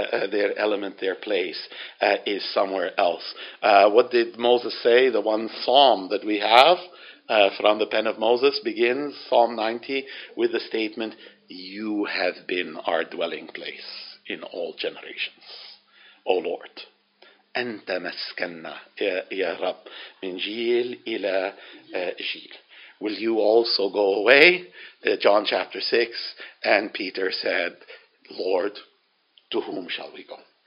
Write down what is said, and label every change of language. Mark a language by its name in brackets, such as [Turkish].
[English] Their element, their place is somewhere else. What did Moses say? The one psalm that we have from the pen of Moses begins, Psalm 90, with the statement, you have been our dwelling place in all generations, O Lord. [Arabic] أنت مسكننا يا رب من جيل إلى جيل. [English] will you also go away? John chapter 6, and Peter said, Lord, to whom shall we go?